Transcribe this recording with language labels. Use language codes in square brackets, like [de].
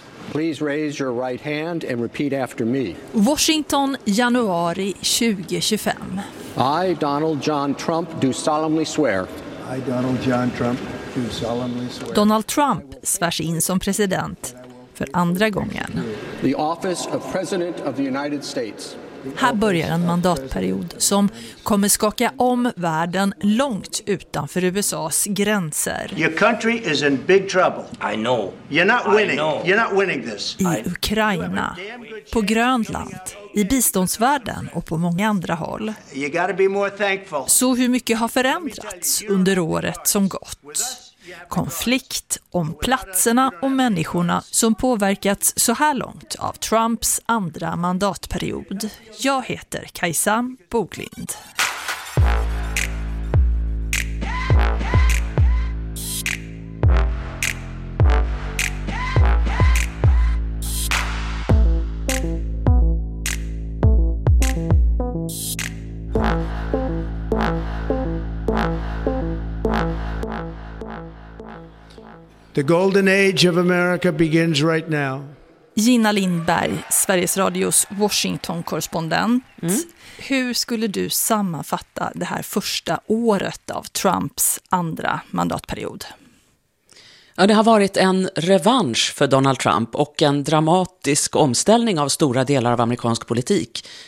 [en] Please raise your right hand and repeat after me. [sv] Washington, januari 2025. [en] I, Donald John Trump, do solemnly swear. I, Donald John Trump, do solemnly swear. [sv] Donald Trump svärs in som president för andra gången. [en] The office of president of the United States. [sv] Här börjar en mandatperiod som kommer skaka om världen långt utanför USA:s gränser. [en] Your country is in big trouble. I know. You're not winning. You're not winning this. [sv] I Ukraina, på Grönland, i biståndsvärlden och på många andra håll. [en] You gotta be more thankful. [sv] Så hur mycket har förändrats under året som gått? Konflikt om platserna och människorna som påverkats så här långt av Trumps andra mandatperiod. Jag heter Kajsa Boglind. [en] The golden age of America begins right now. [sv] Gina Lindberg, Sveriges Radios Washington-korrespondent. Mm. Hur skulle du sammanfatta det här första året av Trumps andra mandatperiod? Ja, det har varit en revansch för Donald Trump och en dramatisk omställning av stora delar av amerikansk politik.